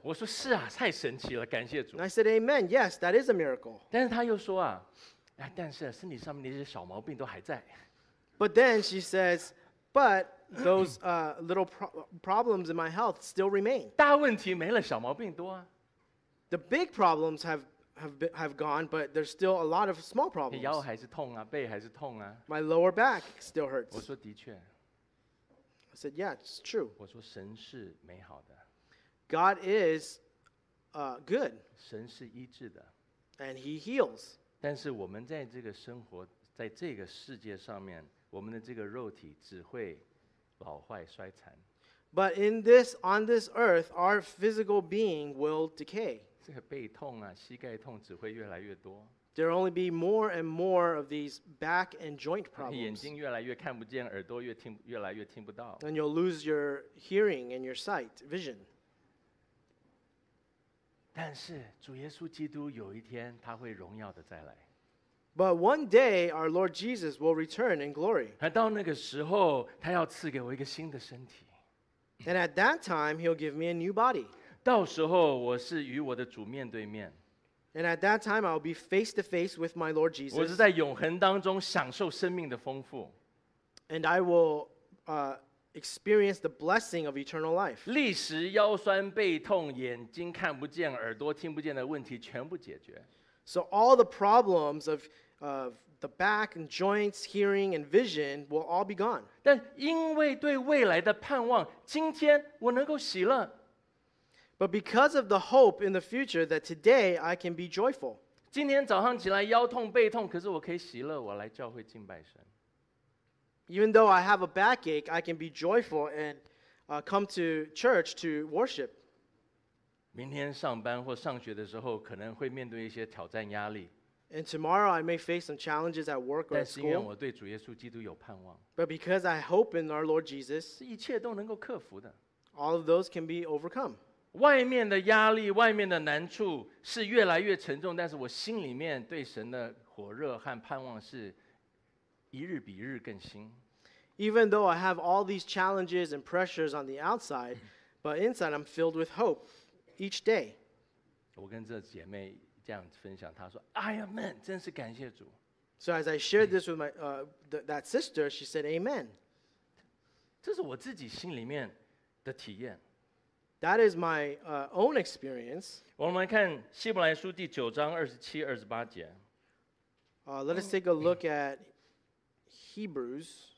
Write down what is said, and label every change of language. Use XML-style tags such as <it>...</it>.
<zh>我说是啊，太神奇了，感谢主。</zh> <en>And I said, Amen. Yes, that is a miracle.</en> <zh>但是他又说啊，哎，但是身体上面那些小毛病都还在。</zh> <en>But then she says. But those little problems in my health still remain.</en> <zh>大问题没了，小毛病多啊。</zh> <en>The big problems have gone, but there's still a lot of small problems.</en> <zh>腰还是痛啊，背还是痛啊。</zh> <en>My lower back still hurts.</en> <zh>我说的确。</zh> <en>I said, yeah, it's true.</en> <zh>我说神是美好的。</zh> <en>God is good.</en> <zh>神是医治的。</zh> <en>And He heals.</en> <zh>但是我们在这个生活，在这个世界上面。我们的这个肉体只会老坏衰残。</zh> <en>But in this, on this earth, our physical being will decay.</en> <zh>这个背痛啊，膝盖痛只会越来越多。</zh> <en>There will only be more and more of these back and joint problems.</en> <zh>眼睛越来越看不见，耳朵越来越听不到。</zh> <en>And you'll lose your hearing and your sight, vision.</en> <zh>但是主耶稣基督有一天他会荣耀的再来。</zh> <en>But one day, our Lord Jesus will return in glory.</en> <zh>到那个时候，他要赐给我一个新的身体。</zh> <en>And at that time, He'll give me a new body.</en> <zh>到时候，我是与我的主面对面。</zh> <en>And at that time, I'll be face to face with my Lord Jesus.</en> <zh>我是在永恒当中享受生命的丰富。</zh> <en>And I will experience the blessing of eternal life.</en> <zh>历时腰酸背痛，眼睛看不见，耳朵听不见的问题全部解决。</zh> <en>So all the problems of the back and joints, hearing and vision will all be gone.</en> <zh>但因为对未来的盼望，今天我能够喜乐。</zh> <en>But because of the hope in the future that today I can be joyful.</en> <zh>今天早上起来腰痛背痛，可是我可以喜乐，我来教会敬拜神。</zh> <en>Even though I have a backache, I can be joyful and come to church to worship.</en> <zh>明天上班或上学的时候，可能会面对一些挑战压力。</zh> <en>And tomorrow I may face some challenges at work or school.</en> <zh>但是因为我对主耶稣基督有盼望。</zh> <en>But because I hope in our Lord Jesus.</en> <zh>一切都能够克服的。</zh> <en>All of those can be overcome.</en> <zh>外面的压力，外面的难处是越来越沉重，但是我心里面对神的火热和盼望是一日比一日更新。</zh> <en>Even though I have all these challenges and pressures on the outside, but inside I'm filled with hope. Each day,</en> <zh>我跟这姐妹这样分享，她说 ，Amen， 真是感谢主。</zh> <en>So as I shared this with my that sister, she said, Amen.</en> <zh>这是我自己心里面的体验。</zh> <en>That is my own experience.</en> <zh>我们来看希伯来书第九章二十七、二十八节。</zh> <en>Let us take a look at Hebrews.</en>